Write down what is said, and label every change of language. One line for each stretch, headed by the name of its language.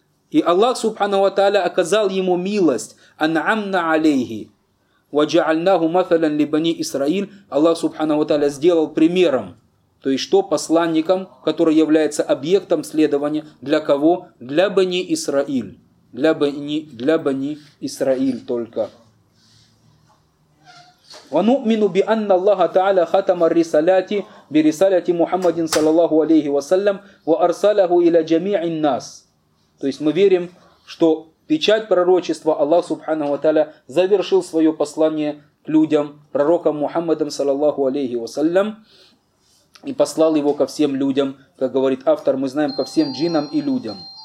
Russian: И Аллах субханаху ва тааля оказал ему милость.
Arabic: Анамна алейхи, ва джаальнаху мафалан ли бани Исраиль.
Russian: Аллах субханаху ва тааля сделал примером, то есть что посланником, который является объектом следования, для кого? Для бани Исраиль. Для бани Исраиль только.
Arabic: ونؤمن بأن الله تعالى ختم الرسالات برسالة محمد صلى الله عليه وسلم وأرسله إلى جميع الناس.
Russian: То есть мы верим, что печать пророчества Аллах سبحانه وتعالى завершил свое послание к людям пророком Мухаммадом صلى الله عليه وسلم и послал его ко всем людям, как говорит автор, мы знаем ко всем джинам и людям.